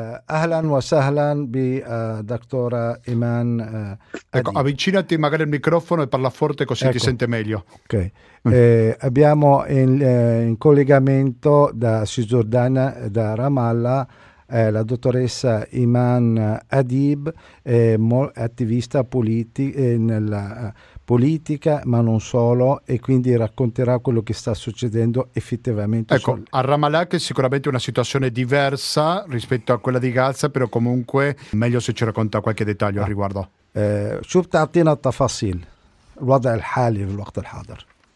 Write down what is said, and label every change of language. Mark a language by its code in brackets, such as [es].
[ar] أهلا وسهلا بدكتورة إيمان [it] ecco, avvicinati magari il microfono e parla forte così ecco. Ti sente meglio. Ok. Abbiamo in collegamento da Cisgiordania, da Ramallah, la dottoressa Iman Adib, attivista nella politica, ma non solo, e quindi racconterà quello che sta succedendo effettivamente. Ecco, a Ramallah, che è sicuramente una situazione diversa rispetto a quella di Gaza, però comunque meglio se ci racconta qualche dettaglio al riguardo. [ar] شوف تعطينا التفاصيل الوضع الحالي في الوقت الحاضر.